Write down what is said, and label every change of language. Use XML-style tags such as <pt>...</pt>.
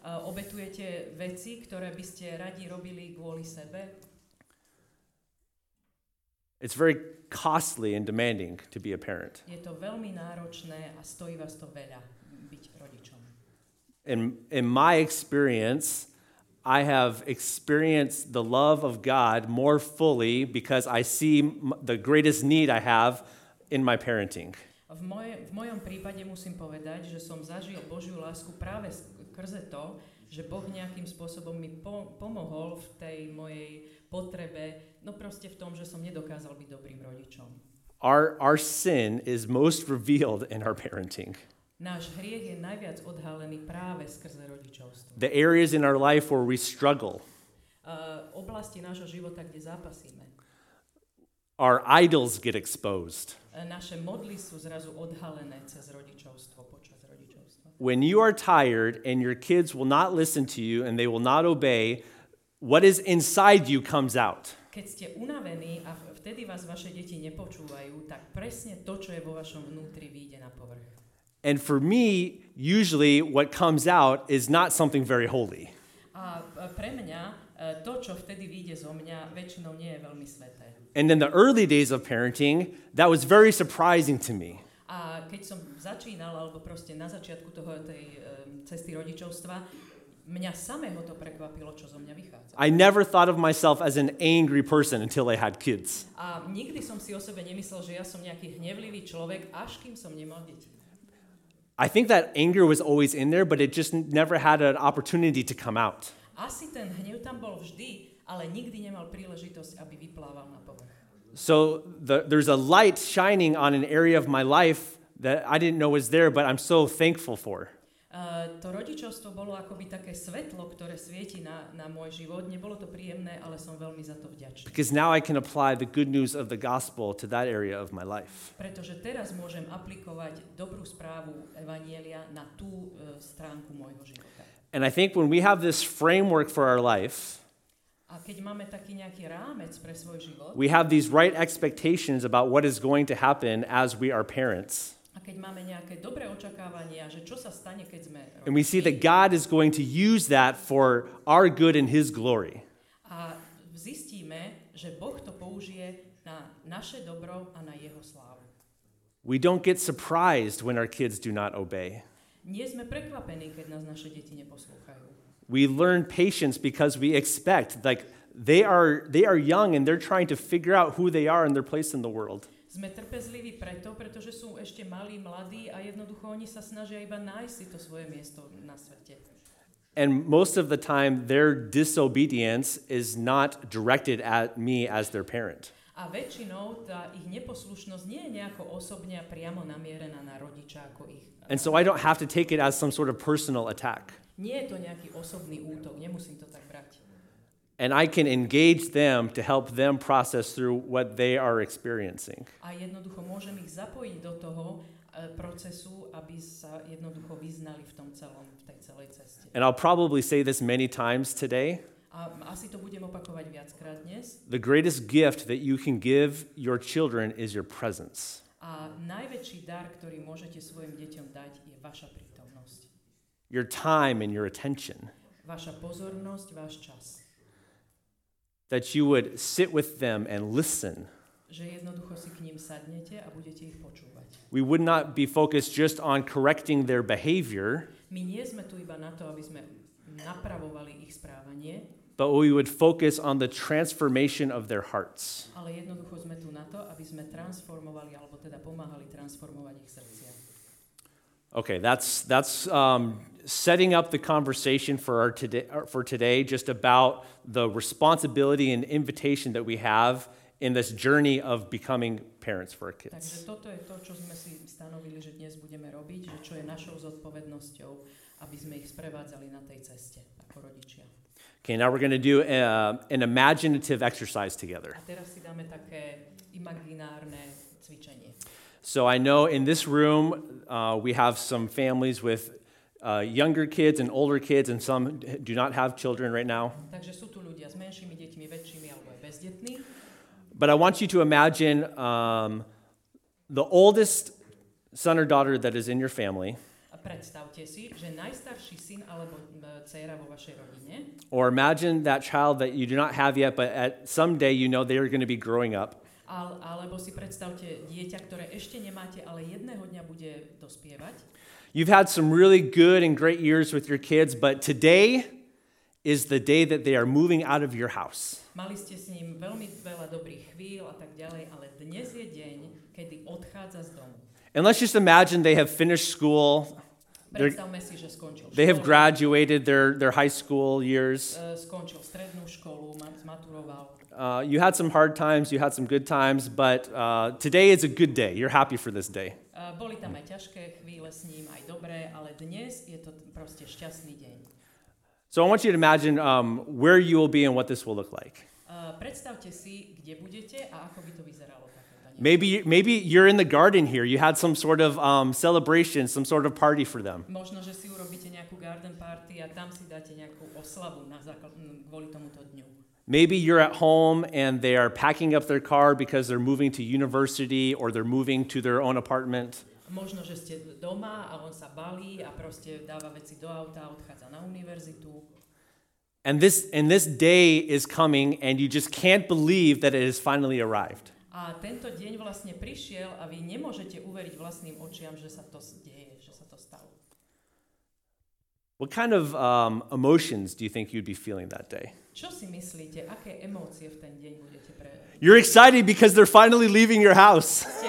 <sk>Obetujete veci, ktoré by ste radi robili kvôli sebe.</sk> <en>It's very costly and demanding to be a parent.</en> <sk>Je to veľmi náročné a stojí vás to veľa byť rodičom.</sk> <en>In my experience, I have experienced the love of God more fully because I see the greatest need I have in my parenting.</en> <sk>V mojom prípade musím povedať, že som zažil Božiu lásku práve skrze to, že Boh nejakým spôsobom mi pomohol v tej mojej potrebe, no proste v tom, že som nedokázal byť dobrým rodičom.</sk> <en>Our sin is most revealed in our parenting.</en> <sk>Náš hriech je najviac odhalený práve skrze rodičovstvo.</sk> <en>The areas in our life where we struggle.</en> <sk>Oblasti nášho života, kde zápasíme.</sk> <en>Our idols get exposed.</en> <sk>Naše modly sú zrazu odhalené cez rodičovstvo, počas rodičovstva.</sk> <en>When you are tired and your kids will not listen to you and they will not obey, what is inside you comes out.</en> <sk>Keď ste unavení a vtedy vás vaše deti nepočúvajú, tak presne to, čo je vo vašom vnútri, vyjde na povrch.</sk> <en>And for me, usually what comes out is not something very holy.</en> <sk>A pre mňa to, čo vtedy vyjde zo mňa, väčšinou nie je veľmi sveté.</sk> <en>And in the early days of parenting, that was very surprising to me.</en> <sk>A keď som začínal, alebo proste na začiatku toho tej cesty rodičovstva, mňa samého to prekvapilo, čo zo mňa vychádza.</sk> <en>I never thought of myself as an angry person until I had kids.</en> <sk>A nikdy som si o sebe nemyslel, že ja som nejaký hnevlivý človek, až kým som nemal deti.</sk> <en>I think that anger was always in there, but it just never had an opportunity to come out.</en> <sk>Asi ten hnev tam bol vždy, ale nikdy nemal príležitosť, aby vyplával na povrch.</sk> <en>So there's a light shining on an area of my life that I didn't know was there, but I'm so thankful for.</en> <sk>To rodičovstvo bolo akoby také svetlo, ktoré svieti na môj život. Nebolo to príjemné, ale som veľmi za to vďačný.</sk> <en>Because now I can apply the good news of the gospel to that area of my life.</en> <sk>Pretože teraz môžem aplikovať dobrú správu evanjelia na tú stránku môjho života.</sk> <en>And I think when we have this framework for our life,</en> <sk>a keď máme taký nejaký rámec pre svoj život,</sk> <en>we have these right expectations about what is going to happen as we are parents.</en> <sk>A keď máme nejaké dobré očakávania, že čo sa stane, keď sme rodiči.</sk> <en>And we see that God is going to use that for our good and his glory.</en> <sk>A zistíme, že Boh to použije na naše dobro a na jeho slávu.</sk> <en>We don't get surprised when our kids do not obey.</en> <sk>Nie sme prekvapení, keď nás naše deti neposlúchajú.</sk> <en>We learn patience because we expect, like, they are young and they're trying to figure out who they are and their place in the world.</en> <sk>Sme trpezliví preto, pretože sú ešte malí, mladí a jednoducho oni sa snažia iba nájsť si to svoje miesto na svete.</sk> <en>And most of the time their disobedience is not directed at me as their parent.</en> <sk>A väčšinou tá ich neposlušnosť nie je nejako osobne a priamo namierená na rodiča ako ich.</sk> <en>And so I don't have to take it as some sort of personal attack.</en> <sk>Nie je to nejaký osobný útok, nemusím to tak brať.</sk> <en>And I can engage them to help them process through what they are experiencing.</en> <sk>A jednoducho môžem ich zapojiť do toho procesu, aby sa jednoducho vyznali v tom celom, v tej celej ceste.</sk> <en>And I'll probably say this many times today.</en> <sk>A asi to budem opakovať viackrát dnes.</sk> <en>The greatest gift that you can give your children is your presence.</en> <sk>A najväčší dar, ktorý môžete svojim deťom dať, je vaša prítomnosť.</sk> <en>Your time and your attention.</en> <sk>Vaša pozornosť, váš čas.</sk> <en>That you would sit with them and listen.</en> <sk>Že jednoducho si k ním sadnete a budete ich počúvať.</sk> <en>We would not be focused just on correcting their behavior.</en> <sk>My nie sme tu iba na to, aby sme napravovali ich správanie.</sk> <en>But we would focus on the transformation of their hearts.</en> <sk>Ale jednoducho sme tu na to, aby sme transformovali alebo teda pomáhali transformovať ich srdcia.</sk> <en>Okay, that's setting up the conversation for today just about the responsibility and invitation that we have in this journey of becoming parents for our kids.</en> <sk>Takže toto je to, čo sme si stanovili, že dnes budeme robiť, že čo je našou zodpovednosťou, aby sme ich sprevádzali na tej ceste ako rodičia.</sk> <en>Okay, now we're going to do an imaginative exercise together.</en> <sk>A teraz si dáme také imaginárne cvičenie.</sk> <en>So I know in this room we have some families with younger kids and older kids, and some do not have children right now.</en> <sk>Takže sú tu ľudia s menšími deťmi, väčšími alebo bezdetní.</sk> <en>But I want you to imagine the oldest son or daughter that is in your family.</en> <sk>Predstavte si, že najstarší syn alebo dcéra vo vašej rodine.</sk> <en>Or imagine that child that you do not have yet, but at some day you know they are going to be growing up.</en> <sk>Alebo si predstavte dieťa, ktoré ešte nemáte, ale jedného dňa bude dospievať.</sk> <en>You've had some really good and great years with your kids, but today is the day that they are moving out of your house.</en> <sk>Mali ste s ním veľmi veľa dobrých chvíľ a tak ďalej, ale dnes je deň, kedy odchádza z domu.</sk> <en>And let's just imagine they have finished school.</en> <sk>Predstavme si, že skončil školu.</sk> <en>They have graduated their high school years.</en> <sk>Skončil strednú školu, zmaturoval.</sk> <en>You had some hard times, you had some good times, but today is a good day. You're happy for this day.</en> <sk>Boli tam aj ťažké chvíle s ním, aj dobré, ale dnes je to proste šťastný deň.</sk> <en>So I want you to imagine where you will be and what this will look like.</en> <sk>Predstavte si, kde budete a ako by to vyzeralo.</sk> <en>Maybe you're in the garden here. You had some sort of celebration, some sort of party for them.</en> <sk>Možno, že si urobíte nejakú garden party a tam si dáte nejakú oslavu kvôli tomuto dňu.</sk> <en>Maybe you're at home and they are packing up their car because they're moving to university or they're moving to their own apartment.</en> <sk>Možno, že ste doma a on sa balí a proste dáva veci do auta a odchádza na univerzitu.</sk> <en>And this day is coming and you just can't believe that it has finally arrived.</en> <sk>A tento deň vlastne prišiel a vy nemôžete uveriť vlastným očiam, že sa to deje, že sa to stalo.</sk> <en>What kind of emotions do you think you'd be feeling that day?</en> <sk>Čo si myslíte, aké emócie v ten deň budete prežívať?</sk> <en>You're excited because they're finally leaving your house.</en>